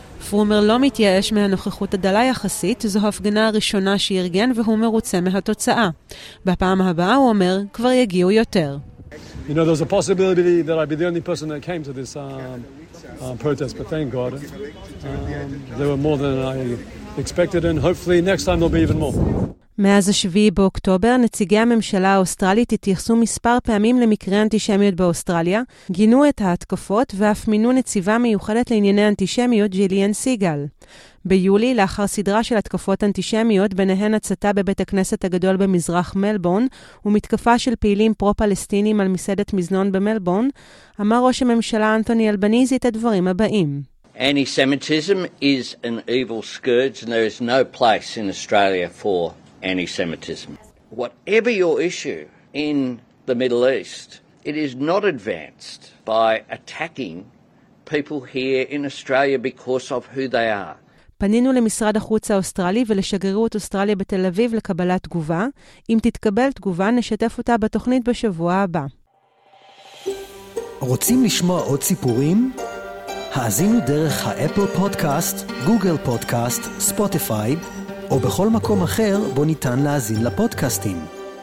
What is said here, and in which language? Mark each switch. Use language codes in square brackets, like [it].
[he] פרומר לא מתייאש מהנוכחות הדלה יחסית, זו הפגנה הראשונה שירגן והוא מרוצה מהתוצאה. בפעם הבאה הוא אומר, כבר יגיעו יותר. [en] You know, there's a possibility that I'd be the only person that came to this protest, but thank God, there were more than I expected, and hopefully next time there'll be even more. [he] מאז השביעי באוקטובר, נציגי הממשלה האוסטרלית התייחסו מספר פעמים למקרי אנטישמיות באוסטרליה, גינו את ההתקפות ואף מינו נציבה מיוחדת לענייני אנטישמיות ג'יליאן סיגל. ביולי, לאחר סדרה של התקפות אנטישמיות, ביניהן הצתה בבית הכנסת הגדול במזרח מלבון, ומתקפה של פעילים פרו-פלסטינים על מסעדת מזנון במלבון, אמר ראש הממשלה אנטוני אלבניזי את הדברים הבאים. [en] Anti-Semitism is an evil scourge and there is no place in Australia for anti-Semitism. Whatever your issue in the Middle East, it is not advanced by attacking people here in Australia because of who they are. [he] פנינו למשרד החוץ האוסטרלי ולשגרירות אוסטרליה בתל אביב לקבלת תגובה. אם תתקבל תגובה, נשתף אותה בתוכנית בשבוע הבא. רוצים לשמוע עוד סיפורים? האזינו דרך האפל פודקאסט, גוגל פודקאסט, ספוטיפיי, או בכל מקום אחר בו ניתן להזין לפודקאסטים.